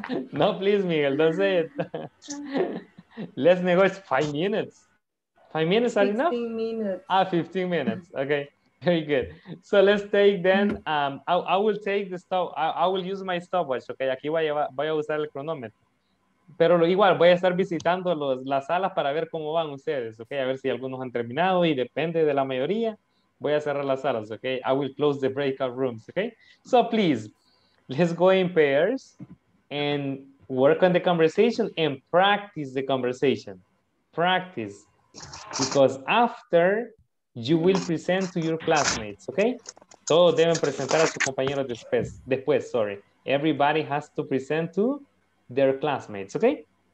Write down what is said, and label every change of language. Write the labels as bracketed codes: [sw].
[en] No, please, Miguel, don't say it. Let's negotiate 5 minutes. 5 minutes are enough? 15 minutes. Ah, 15 minutes, okay. Very good. So let's take then, I will take the stopwatch. I will use my stopwatch, okay? [es] Aquí voy a usar el cronómetro. Pero igual, voy a estar visitando las salas para ver cómo van ustedes, okay? A ver si algunos han terminado y depende de la mayoría. Voy a cerrar las salas, [en] okay? I will close the breakout rooms, okay? So please, let's go in pairs and work on the conversation and practice the conversation. Practice. Because after, you will present to your classmates, okay? [es] Todos deben presentar a sus compañeros después. [en] Everybody has to present to their classmates, okay?